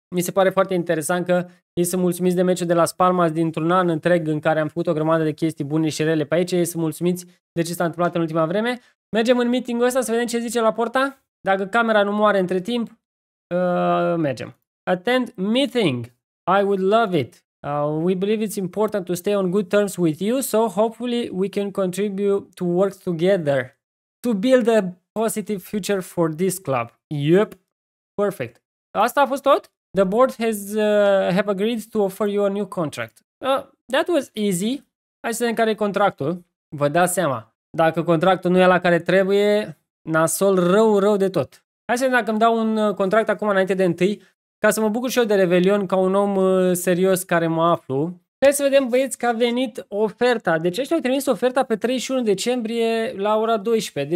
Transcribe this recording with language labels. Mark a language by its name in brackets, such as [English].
[Romanian] Mi se pare foarte interesant că ei sunt mulțumiți de meciul de Las Palmas dintr-un an întreg în care am făcut o grămadă de chestii bune și rele pe aici. Ei sunt mulțumiți de ce s-a întâmplat în ultima vreme. Mergem în meeting-ul ăsta să vedem ce zice Laporta. Dacă camera nu moare între timp, mergem. [English] Attend meeting. I would love it. We believe it's important to stay on good terms with you, so hopefully we can contribute to work together to build a positive future for this club. Yep. Perfect. [Romanian] Asta a fost tot? [English] The board has have agreed to offer you a new contract. That was easy. [Romanian] Hai să vedem care e contractul. Vă dați seama. Dacă contractul nu e la care trebuie, nasol rău, rău de tot. Hai să vedem dacă îmi dau un contract acum înainte de întâi, ca să mă bucur și eu de Revelion ca un om serios care mă aflu. Hai să vedem, băieți, că a venit oferta. Deci ăștia au trimis oferta pe 31 decembrie la ora 12.